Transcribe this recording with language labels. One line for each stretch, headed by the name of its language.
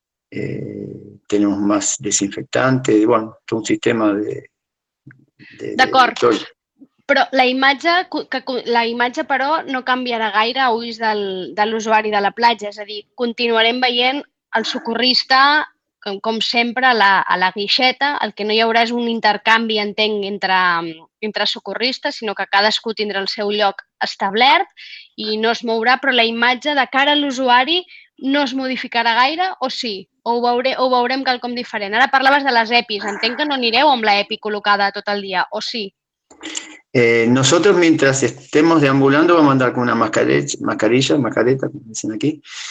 Spanish: Tenemos más desinfectante, bueno, todo un sistema
Catalan: D'acord.
Spanish: de todo.
Catalan: Però la imatge, però, no canviarà gaire a ulls de l'usuari de la platja. És a dir, continuarem veient el socorrista, com sempre, a la guixeta. El que no hi haurà és un intercanvi, entenc, entre socorristes, sinó que cadascú tindrà el seu lloc establert i no es mourà, però la imatge de cara a l'usuari no es modificarà gaire, o sí? O ho veurem quelcom diferent? Ara parlaves de les EPIs. Entenc que no anireu amb la EPI col·locada tot el dia, o sí?
Spanish: Nosotros mientras estemos deambulando vamos a andar con una mascareta, como dicen aquí.